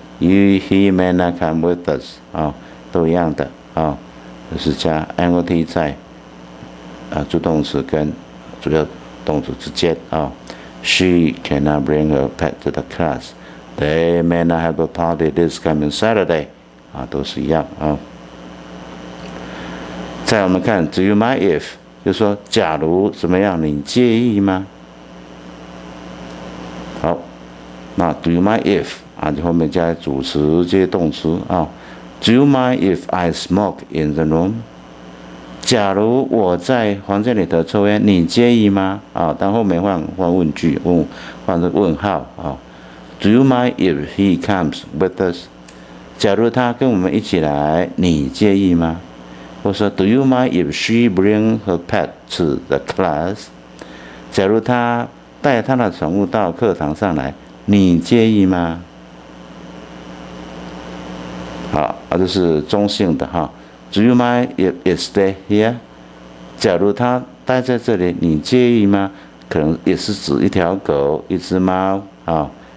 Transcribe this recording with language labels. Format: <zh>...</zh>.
<en>He may not come with us，</en> <zh>啊、哦，都一样的啊、哦，就是加 not 在啊助动词跟主要动词之间啊、哦。</zh> <en>She cannot bring her pet to the class， they may not have a party this coming Saturday，</en> <zh>啊、哦，都是一样啊、哦。再我们看 ，</zh> <en>Do you mind if？</en> <zh>就说假如怎么样，你介意吗？好，那</zh> <en>Do you mind if</en> <zh>啊？后面加主词接动词啊。</zh> <en>Do you mind if I smoke in the room？</en> <zh>假如我在房间里头抽烟，你介意吗？啊，但后面换问句，换成问号啊。</zh> <en>Do you mind if he comes with us？</en> <zh>假如他跟我们一起来，你介意吗？或者说</zh> <en>Do you mind if she bring her pet to the class？</en> <zh>假如他带他的宠物到课堂上来，你介意吗？好，啊，这是中性的哈。</zh> <en>Do you mind if you stay here？</en> <zh>假如他待在这里，你介意吗？可能也是指一条狗、一只猫啊。</zh>